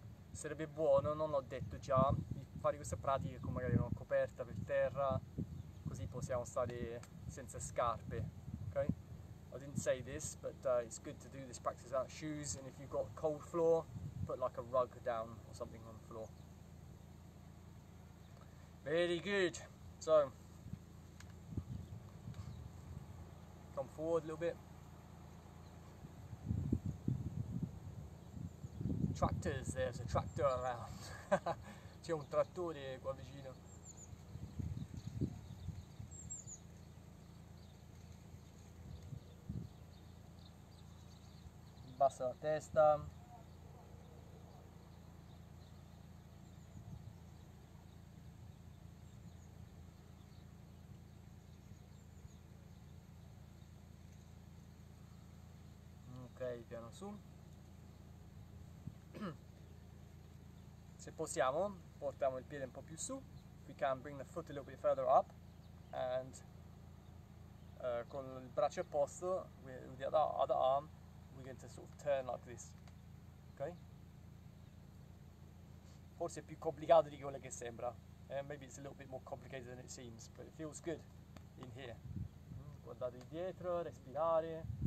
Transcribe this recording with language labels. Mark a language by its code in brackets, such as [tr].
[it] Sarebbe buono, non l'ho detto già, di fare queste pratiche con magari una coperta per terra, così possiamo stare senza scarpe. Okay? [en] I didn't say this, but it's good to do this practice without shoes, and if you've got a cold floor, put like a rug down or something on the floor. Very good. So, come forward a little bit. Tractors, there's a tractor around. [it] C'è un trattore qua vicino. Abbassa la testa. Ok, piano su. Se possiamo, portiamo il piede un po' più su. [en] We can bring the foot a little bit further up. And [it] con il braccio opposto, [en] with the other arm, we're going to sort of turn like this. Ok? [it] Forse è più complicato di quello che sembra. [en] Maybe it's a little bit more complicated than it seems, but it feels good in here. [it] Guardate indietro, respirare.